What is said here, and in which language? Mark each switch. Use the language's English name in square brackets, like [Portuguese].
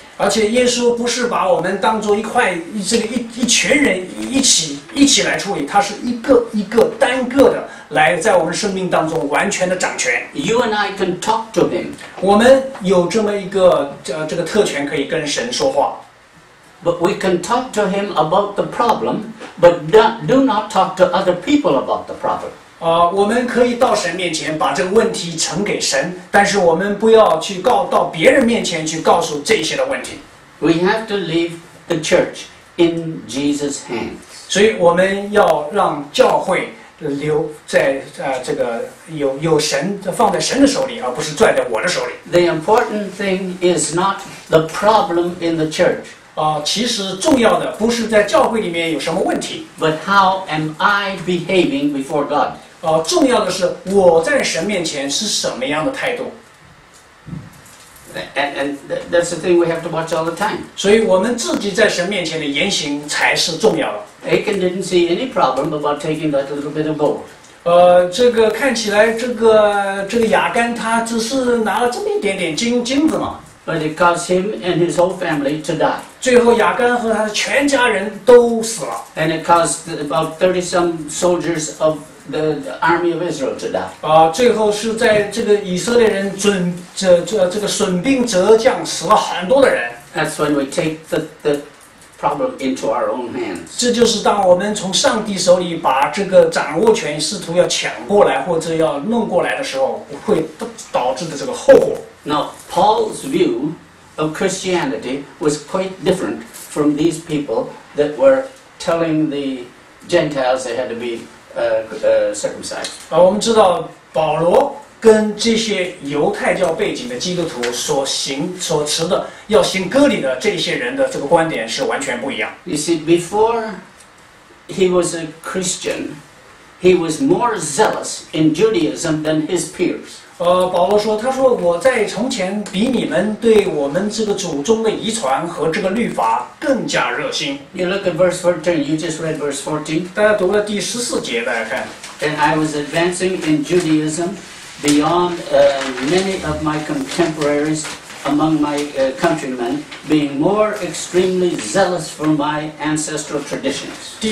[Chinese] 而且耶稣不是把我们当作一块这个一群人一起来处理，他是一个一个单个的来在我们生命当中完全的掌权。 [English] You and I can talk to him. [Chinese] 我们有这么一个这个特权可以跟神说话。 [English] But we can talk to him about the problem, but do not talk to other people about the problem. [Chinese] 我们可以到神面前把这个问题呈给神，但是我们不要去到别人面前去告诉这些的问题。 [English] We have to leave the church in Jesus' hands. [Chinese] 所以我们要让教会留在这个有神放在神的手里，而不是拽在我的手里。 [English] The important thing is not the problem in the church. [Chinese] 其实重要的不是在教会里面有什么问题。 [English] But how am I behaving before God? [Chinese] 重要的是我在神面前是什么样的态度。 [English] And that's the thing we have to watch all the time. [Chinese] 所以我们自己在神面前的言行才是重要的。 [English] Achan didn't see any problem about taking that little bit of gold. [Chinese] 这个看起来这个亚干他只是拿了这么一点点金子嘛。 [English] But it caused him and his whole family to die. [Chinese] 最后亚干和他的全家人都死了。 [English] And it caused about 30 some soldiers of the army of Israel to die. [Chinese] 最后是在这个以色列人这个损兵折将，死了很多的人。 [English] That's when we take the problem into our own hands. [Chinese] 这就是当我们从上帝手里把这个掌握权试图要抢过来或者要弄过来的时候，会导致的这个后果。 [English] Now, Paul's view of Christianity was quite different from these people that were telling the Gentiles they had to be circumcised. [Chinese] 我们知道保罗跟这些犹太教背景的基督徒所行所持的要行割礼的这些人的这个观点是完全不一样。 [English] You see, before he was a Christian, he was more zealous in Judaism than his peers. [Chinese] 保罗说，他说我在从前比你们对我们这个祖宗的遗传和这个律法更加热心。 [English] You look at verse 14. You just read verse 14. [Chinese] 大家读了第十四节，大家看。 [English] And I was advancing in Judaism. Beyond many of my contemporaries among my countrymen, being more extremely zealous for my ancestral traditions.